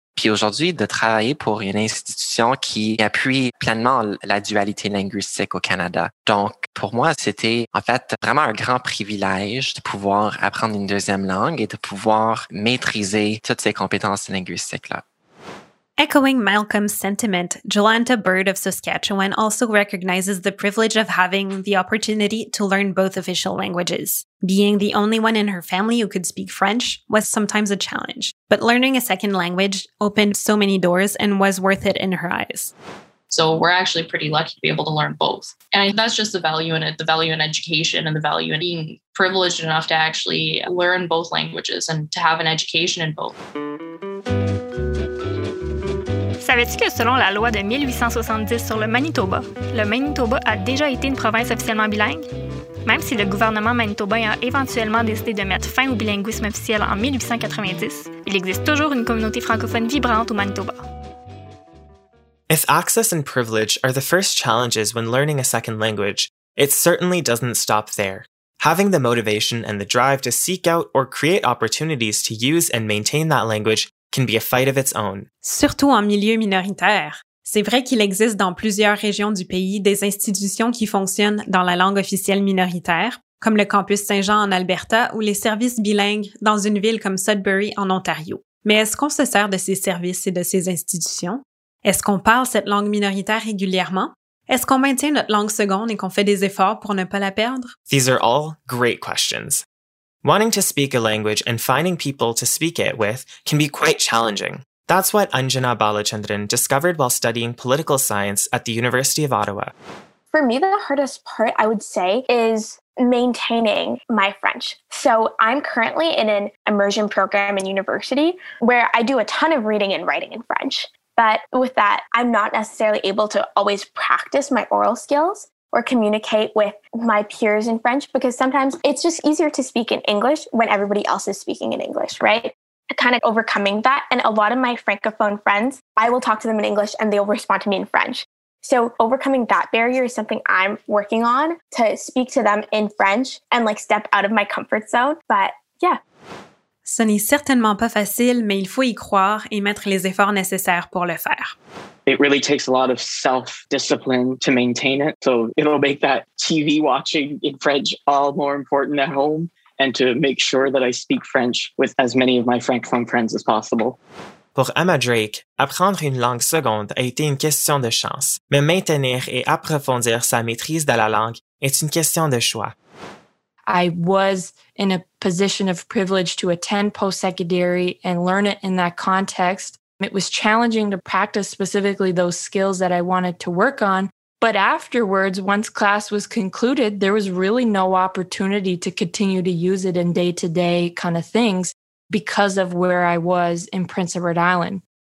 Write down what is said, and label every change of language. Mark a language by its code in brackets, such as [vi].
[fr] Puis aujourd'hui, de travailler pour une institution qui appuie pleinement la dualité linguistique au Canada. Donc, pour moi, c'était en fait vraiment un grand privilège de pouvoir apprendre une deuxième langue et de pouvoir maîtriser toutes ces compétences linguistiques-là. [en] Echoing Malcolm's sentiment, Jolanta Bird of Saskatchewan also recognizes the privilege of having the opportunity to learn both official languages. Being the only one in her family who could speak French was sometimes a challenge, but learning a second language opened so many doors and was worth it in her eyes. So we're actually pretty lucky to be able to learn both. And that's just the value in it, the value in education and the value in being privileged enough to actually learn both languages and to have an education in both. [fr] Savais-tu que selon la loi de 1870 sur le Manitoba a déjà été une province officiellement bilingue? Même si le gouvernement manitobain a éventuellement décidé de mettre fin au bilinguisme officiel en 1890, il existe toujours une communauté francophone vibrante au Manitoba. [en] If access and privilege are the first challenges when learning a second language, it certainly doesn't stop there. Having the motivation and the drive to seek out or create opportunities to use and maintain that language can be a fight of its own. [fr] Surtout en milieu minoritaire. C'est vrai qu'il existe dans plusieurs régions du pays des institutions qui fonctionnent dans la langue officielle minoritaire, comme le campus Saint-Jean en Alberta ou les services bilingues dans une ville comme Sudbury en Ontario. Mais est-ce qu'on se sert de ces services et de ces institutions? Est-ce qu'on parle cette langue minoritaire régulièrement? Est-ce qu'on maintient notre langue seconde et qu'on fait des efforts pour ne pas la perdre? [en] These are all great questions. Wanting to speak a language and finding people to speak it with can be quite challenging. That's what Anjana Balachandran discovered while studying political science at the University of Ottawa. For me, the hardest part, I would say, is maintaining my French. So I'm currently in an immersion program in university where I do a ton of reading and writing in French. But with that, I'm not necessarily able to always practice my oral skills or communicate with my peers in French, because sometimes it's just easier to speak in English when everybody else is speaking in English, right? Kind of overcoming that. And a lot of my Francophone friends, I will talk to them in English and they'll respond to me in French. So overcoming that barrier is something I'm working on, to speak to them in French and like step out of my comfort zone. But yeah. [fr] Ce n'est certainement pas facile, mais il faut y croire et mettre les efforts nécessaires pour le faire. [en] It really takes a lot of self-discipline to maintain it. So it'll make that TV watching in French all more important at home and to make sure that I speak French with as many of my Francophone friends as possible. [fr] Pour Emma Drake, apprendre une langue seconde a été une question de chance, mais maintenir et approfondir sa maîtrise de la langue est une question de choix. [en] I was in a position of privilege to attend post-secondary and learn it in that context. It was challenging to practice specifically those skills that I wanted to work on. But afterwards, once class was concluded, there was really no opportunity to continue to use it in day-to-day kind of things because of where I was in Prince Edward Island.